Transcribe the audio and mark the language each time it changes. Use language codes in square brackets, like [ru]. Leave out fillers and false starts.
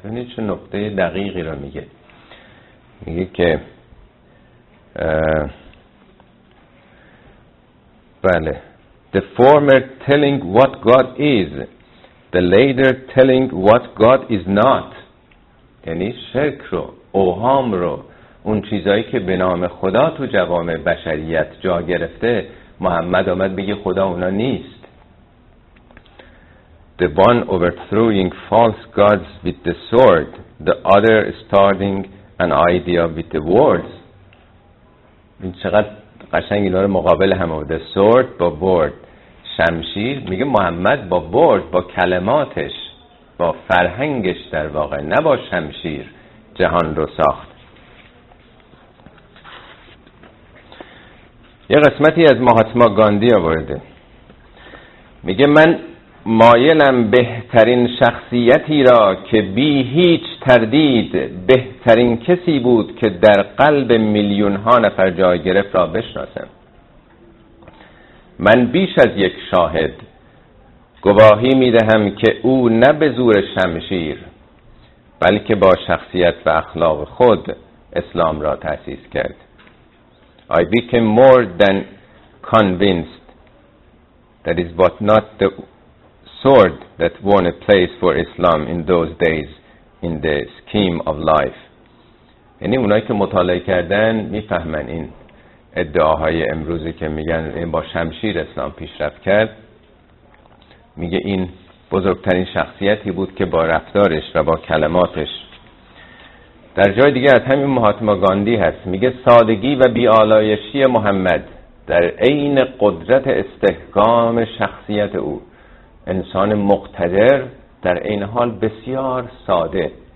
[fa] یعنی چه نقطه دقیقی را میگه؟ میگه که بله، [en] the former telling what God is، the later telling what God is not. [fa] یعنی شرک رو، اوهام رو، اون چیزایی که به نام خدا تو جوامع بشریت جا گرفته، محمد آمد بگه خدا اونا نیست. [en] The one overthrowing false gods with the sword، the other starting an idea with the words. [fa] این چقدر قشنگ اینا رو مقابل هم آورده، the sword با word، شمشیر، میگه محمد با word، با کلماتش، با فرهنگش در واقع، نه با شمشیر جهان رو ساخت. یه قسمتی از مهاتما گاندی آورده، میگه من مایلم بهترین شخصیتی را که بی هیچ تردید بهترین کسی بود که در قلب میلیون ها نفر جای گرفت را بشناسم. من بیش از یک شاهد گواهی می دهم که او نه به زور شمشیر، بلکه با شخصیت و اخلاق خود اسلام را تأسیس کرد. [en] I became more than convinced that it was not the sword that won a place for Islam in those days in the scheme of life. [fa] یعنی اونایی که مطالعه کردن می فهمن این ادعاهای امروزی که میگن این با شمشیر اسلام پیشرفت کرد، میگه این بزرگترین شخصیتی بود که با رفتارش و با کلماتش. در جای دیگه از همین مهاتما گاندی هست، میگه سادگی و بی‌آلایشی محمد در عین قدرت استحکام شخصیت او، انسان مقتدر در عین حال بسیار ساده.